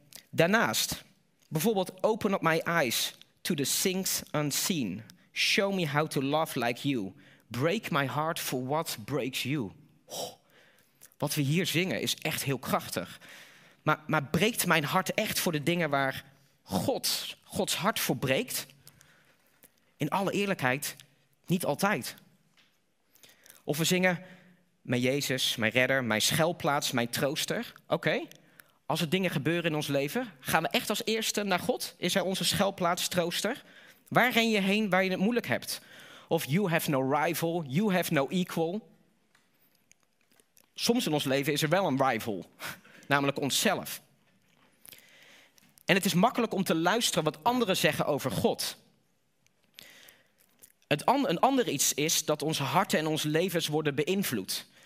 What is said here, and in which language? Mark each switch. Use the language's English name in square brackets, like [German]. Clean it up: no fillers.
[English] Daarnaast, bijvoorbeeld open up my eyes to the things unseen. Show me how to love like you. Break my heart for what breaks you. [Dutch] Oh, wat we hier zingen is echt heel krachtig. Maar breekt mijn hart echt voor de dingen waar Gods hart voor breekt? In alle eerlijkheid, niet altijd. Of we zingen, mijn Jezus, mijn redder, mijn schuilplaats, mijn trooster. Oké, als er dingen gebeuren in ons leven, gaan we echt als eerste naar God? Is hij onze schuilplaats, trooster? Waar ren je heen waar je het moeilijk hebt? [English] Of you have no rival, you have no equal. [Dutch] Soms in ons leven is er wel een rival, namelijk onszelf. En het is makkelijk om te luisteren wat anderen zeggen over God. Een ander iets is dat onze harten en onze levens worden beïnvloed.